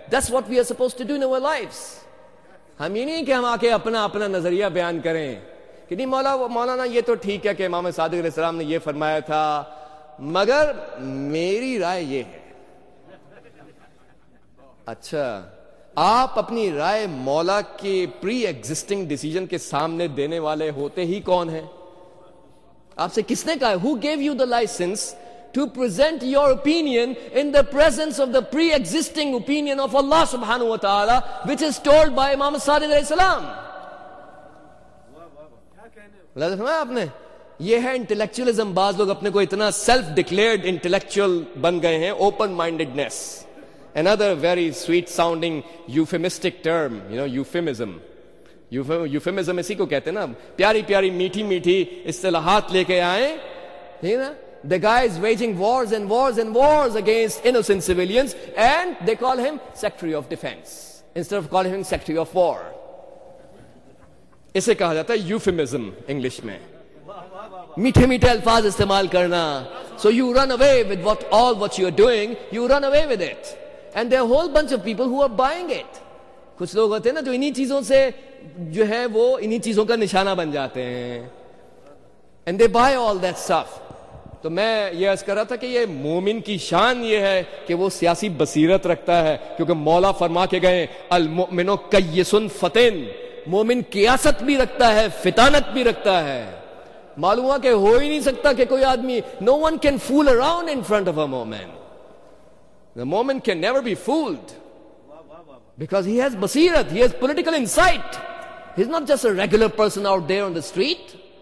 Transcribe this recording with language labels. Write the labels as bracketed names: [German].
[English] That's what we are supposed to do in our lives. [Urdu] ہم یہ نہیں کہ ہم آ کے اپنا اپنا نظریہ بیان کریں کہ نہیں مولانا یہ تو ٹھیک ہے کہ امام صادق علیہ السلام نے یہ فرمایا تھا مگر میری رائے یہ ہے. اچھا آپ اپنی رائے مولا کے پری ایگزسٹنگ ڈیسیجن کے سامنے دینے والے ہوتے ہی کون ہیں؟ آپ سے کس نے کہا ہے [English] who gave you the license to present your opinion in the presence of the pre-existing opinion of Allah subhanahu wa ta'ala which is told by Imam Sadiq alayhi salam. [Urdu] اللہ فرمایا آپ نے یہ ہے انٹلیکچولیزم. بعض لوگ اپنے کو اتنا سیلف ڈکلیئرڈ انٹلیکچوئل بن گئے ہیں. [English] Open mindedness another very sweet sounding euphemistic term, you know, euphemism. [Urdu] Euphemism اسی کو کہتے ہیں نا. پیاری پیاری میٹھی میٹھی اصطلاحات لے کے آئے نا. [English] The guy is waging wars and wars and wars against innocent civilians and they call him Secretary of Defense instead of calling him Secretary of War. [Urdu] اسے کہا جاتا ہے euphemism انگلش میں, میٹھے میٹھے الفاظ استعمال کرنا. [English] So you run away with what all what you are doing, you run away with it and there are a whole bunch of people who are buying it. [Urdu] کچھ لوگ ہوتے ہیں نا جو انہی چیزوں سے جو ہے وہ انہی چیزوں کا نشانہ بن جاتے ہیں [English] And they buy all that stuff. [Urdu] تو میں یہ عرض کر رہا تھا کہ یہ مومن کی شان یہ ہے کہ وہ سیاسی بصیرت رکھتا ہے, کیونکہ مولا فرما کے گئے [Arabic] المؤمن کیس فتن. [Urdu] مومن قیاست بھی رکھتا ہے, فتانت بھی رکھتا ہے. معلوم ہوا کہ ہو ہی نہیں سکتا کہ کوئی آدمی, [English] No one can fool around in front of a مومن. The مومن can never be fooled because he has basirat, he has political insight, he's not just a regular person out there on the street.